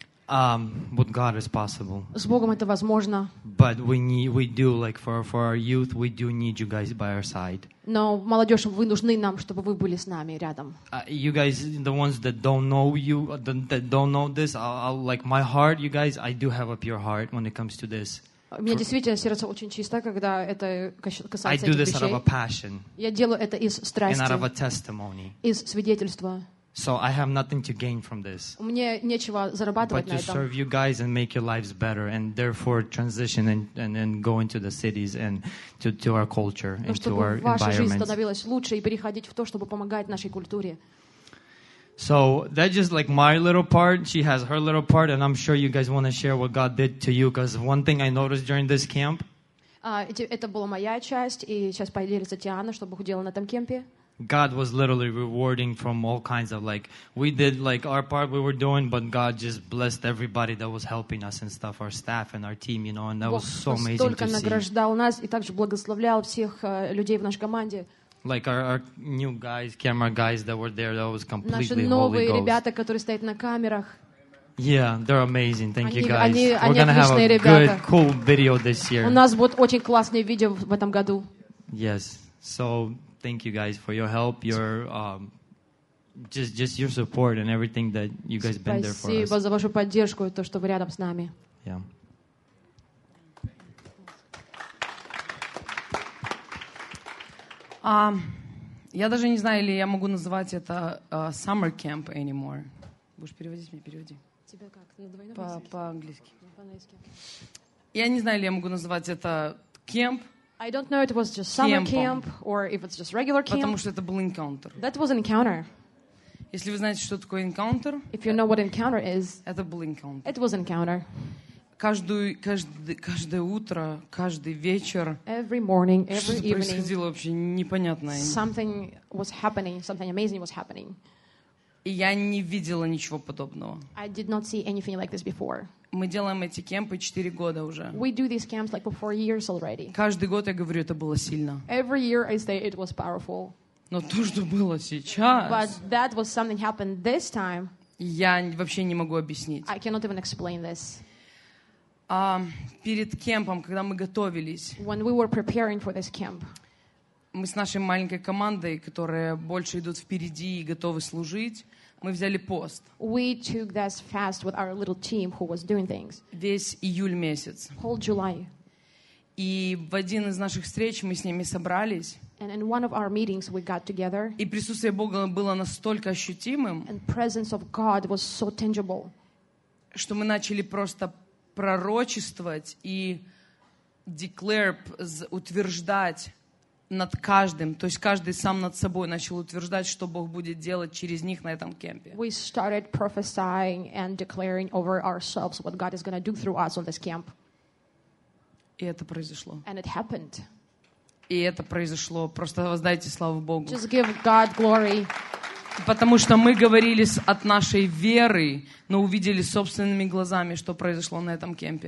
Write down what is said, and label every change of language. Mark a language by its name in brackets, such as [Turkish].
[English] But God is possible. [Russian] С Богом это возможно. [English] But we do like for our youth, we do need you guys by our side. [Russian] Но молодежь, вы нужны нам, чтобы вы были с нами рядом. [English] You guys, the ones that don't know you, that don't know this, I'll like my heart, you guys, I do have a pure heart when it comes to this. [Russian] У меня действительно сердце очень чисто, когда это касается этих вещей. [English] I do this out of a passion. [Russian] Я делаю это из страсти. [English] And out of a testimony. [Russian] Из свидетельства. [English] So I have nothing to gain from this. [Russian] Мне нечего зарабатывать на этом. [English] But to serve you guys and make your lives better, and therefore transition and go into the cities and to our culture and to our environment. [Russian] Чтобы ваша жизнь становилась лучше и переходить в то, чтобы помогать нашей культуре. [English] So that's just like my little part. She has her little part, and I'm sure you guys want to share what God did to you. Because one thing I noticed during this camp. [Russian] Это была моя часть, и сейчас поделится Тиана, что Бог делал на этом кемпе. [English] God was literally rewarding from all kinds of like we did like our part we were doing, but God just blessed everybody that was helping us and stuff, our staff and our team, you know, and that was so amazing to see. [Russian] Бог настолько награждал нас и также благословлял всех людей в нашей команде. [English] Like our new guys, camera guys that were there, that was completely Holy Ghost. [Russian] Наши новые ребята, которые стоят на камерах. [English] Yeah, they're amazing. Thank you, guys. [Russian] Они [English] we're gonna have a [Russian] ребята. [English] Good, cool video this year. [Russian] У нас будет очень классное видео в этом году. [English] Yes, so. Thank you guys for your help, your just your support and everything that you guys been there for us. [Russian] Спасибо за вашу поддержку и то, что вы рядом с нами. [English] Yeah. [Russian] Я даже не знаю, или я могу называть это [English] summer camp anymore. [Russian] Будешь переводить мне? Переводи. Тебя как? На двойном языке? По-английски. Я не знаю, или я могу называть это camp. [English] I don't know if it was just summer camp or if it's just regular camp. [Russian] Потому что это был encounter. [English] That was an encounter. [Russian] Если вы знаете, что такое encounter, [English] if you know what encounter is, [Russian] это был encounter. [English] It was an encounter. [Russian] Каждое утро, каждый вечер. [English] Every morning, every [Russian] что-то [English] evening. [Russian] Что-то происходило вообще непонятное. [English] Something was happening. Something amazing was happening. [Russian] И я не видела ничего подобного. [English] I did not see anything like this before. [Russian] Мы делаем эти кемпы 4 года уже. [English] We do these camps like for 4 years already. [Russian] Каждый год я говорю, это было сильно. [English] Every year I say it was powerful. [Russian] Но то, что было сейчас. [English] But that was something happened this time. [Russian] Я вообще не могу объяснить. [English] I cannot even explain this. [Russian] Перед кемпом, когда мы готовились. [English] When we were preparing for this camp. [Russian] Мы с нашей маленькой командой, которая больше идут впереди и готовы служить. Мы взяли пост. [English] We took this fast with our little team who was doing things. [Russian] Весь июль месяц. [English] Whole July. [Russian] И в один из наших встреч мы с ними собрались. [English] And in one of our meetings we got together. [Russian] И присутствие Бога было настолько ощутимым. [English] And presence of God was so tangible. [Russian] Что мы начали просто пророчествовать и утверждать над каждым, то есть каждый сам над собой начал утверждать, что Бог будет делать через них на этом кемпе. [English] We started prophesying and declaring over ourselves what God is going to do through us on this camp. [Russian] И это произошло. [English] And it happened. [Russian] И это произошло. Просто воздайте славу Богу. [English] Just give God glory. [Russian] Потому что мы говорили от нашей веры, но увидели собственными глазами, что произошло на этом кемпе.